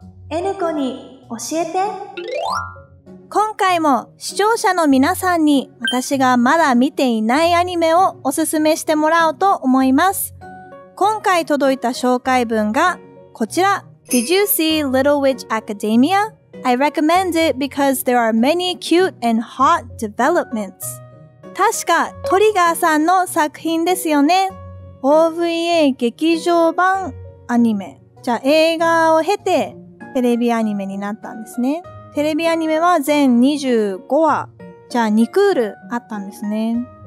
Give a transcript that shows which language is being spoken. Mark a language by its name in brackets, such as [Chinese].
[Japanese] N 子に教えて。今回も視聴者の皆さんに私がまだ見ていないアニメをおすすめしてもらおうと思います。今回届いた紹介文がこちら。 [English] Did you see Little Witch Academia? I recommend it because there are many cute and hot developments. [Japanese] 確かトリガーさんの作品ですよね。OVA 劇場版アニメ。じゃあ映画を経てテレビアニメになったんですね。テレビアニメは全25話、じゃあ2クールあったんですね。